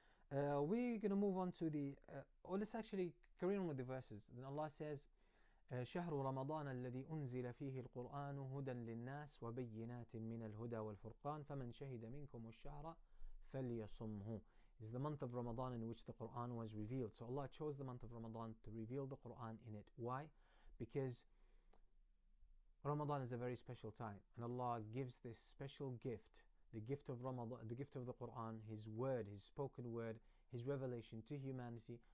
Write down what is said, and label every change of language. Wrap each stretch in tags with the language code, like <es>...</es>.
<en>We're going to move on to the let's actually carry on with the verses. Then Allah says,</en> <ar>شهر رمضان الذي أنزل فيه القرآن هدى للناس وبينات من الهدى والفرقان فمن شهد منكم الشهر فليصمه.</ar> <en>It's the month of Ramadan in which the Quran was revealed. So Allah chose the month of Ramadan to reveal the Quran in it. Why? Because Ramadan is a very special time, and Allah gives this special gift, the gift of Ramadan, the gift of the Quran, His word, His spoken word, His revelation to humanity.</en>